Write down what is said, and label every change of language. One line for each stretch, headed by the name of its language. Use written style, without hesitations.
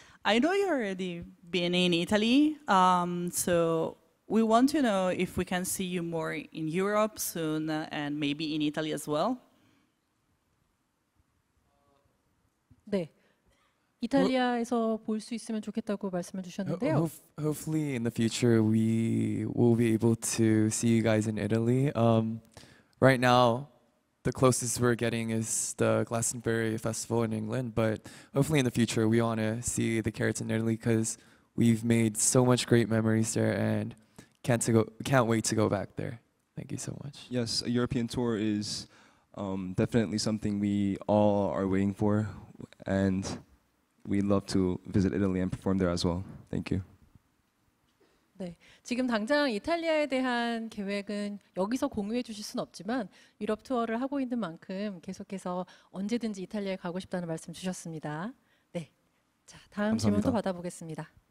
English: I know you're already been in Italy, so we want to know if we can see you more in Europe soon and maybe in Italy as well.
Korean: 네, 이탈리아에서 볼 수 있으면 좋겠다고 말씀을 주셨는데요.
English: Hopefully in the future we will be able to see you guys in Italy. Right now, the closest we're getting is the Glastonbury Festival in England, but hopefully in the future we want to see the Carrots in Italy because we've made so much great memories there and can't wait to go back there. Thank you so much. Yes, a European tour is definitely something we all are waiting for, and we'd love to visit Italy and perform there as well. Thank you.
Korean: 네, 지금 당장 이탈리아에 대한 계획은 여기서 공유해 주실 순 없지만 유럽 투어를 하고 있는 만큼 계속해서 언제든지 이탈리아에 가고 싶다는 말씀 주셨습니다. 네, 자 다음 질문 또 받아보겠습니다.